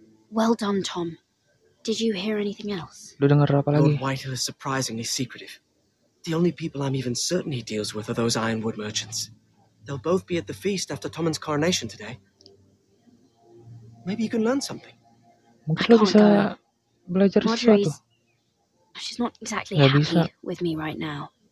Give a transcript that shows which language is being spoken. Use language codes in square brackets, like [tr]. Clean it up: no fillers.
[en] Well done, Tom. Did you hear anything else? [id] Lu dengar apa lagi? [en] Lord Whitehill is surprisingly secretive. The only people I'm even certain he deals with are those ironwood merchants. They'll both be at the feast after Tommen's coronation today. Maybe you can learn something. [id] Mungkin lu bisa belajar sesuatu. [en] She's not exactly happy with me right now.